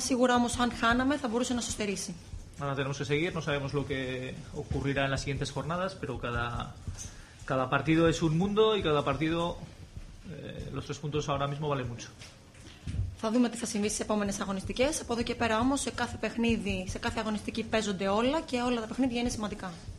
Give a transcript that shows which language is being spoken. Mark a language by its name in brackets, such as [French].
[Greek] Σίγουρα όμως αν χάναμε θα μπορούσε να σου στερήσει. [Spanish] Ahora tenemos que seguir, no sabemos lo que ocurrirá en las siguientes jornadas, pero cada partido es un mundo y cada partido... Los tres puntos ahora mismo valen mucho. [Greek] Θα δούμε τι θα συμβεί στις επόμενες αγωνιστικές. Από εδώ και πέρα όμως, σε κάθε παιχνίδι, σε κάθε αγωνιστική παίζονται όλα και όλα τα παιχνίδια είναι σημαντικά.